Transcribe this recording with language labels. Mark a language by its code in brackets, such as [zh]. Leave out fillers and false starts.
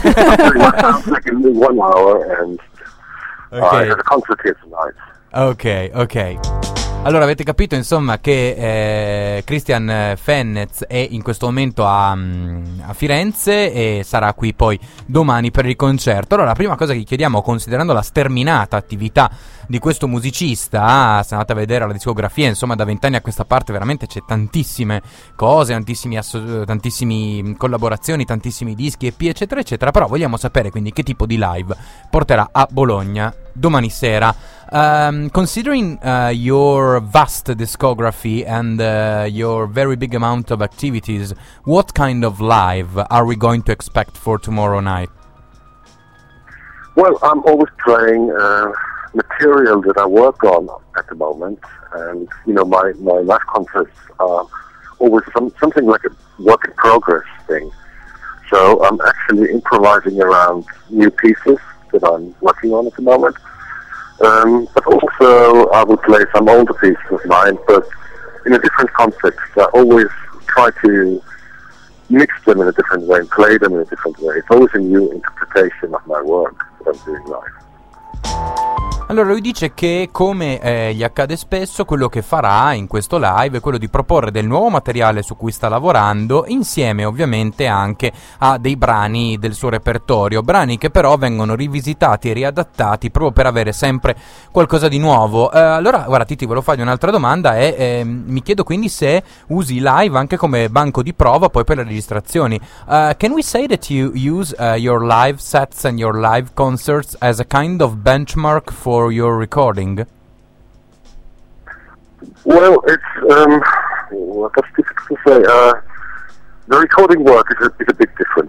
[en] I'm like 1 hour and I have a concert here tonight. Okay. [it] Allora, avete capito, insomma, che Christian Fennez è in questo momento a Firenze e sarà qui poi domani per il concerto. Allora, la prima cosa che chiediamo, considerando la sterminata attività di questo musicista, se andate a vedere la discografia, insomma, da 20 anni a questa parte veramente c'è tantissime cose, tantissime collaborazioni, tantissimi dischi, EP, eccetera, eccetera. Però vogliamo sapere, quindi, che tipo di live porterà a Bologna domani sera. [en] Considering your vast discography and your very big amount of activities, what kind of live are we going to expect for tomorrow night? Well, I'm always playing material that I work on at the moment, and you know, my live concerts are always something like a work in progress thing. So I'm actually improvising around new pieces that I'm working on at the moment. But also, I would play some older pieces of mine, but in a different context. I always try to mix them in a different way and play them in a different way. It's always a new interpretation of my work that I'm doing live. [it] Allora, lui dice che, come gli accade spesso, quello che farà in questo live è quello di proporre del nuovo materiale su cui sta lavorando, insieme ovviamente anche a dei brani del suo repertorio, brani che però vengono rivisitati e riadattati proprio per avere sempre qualcosa di nuovo. Allora, guarda, Titi, volevo fargli un'altra domanda e mi chiedo quindi se usi live anche come banco di prova poi per le registrazioni. [en] Can we say that you use your live sets and your live concerts as a kind of benchmark for your recording? Well, it's that's difficult to say. The recording work is a bit different.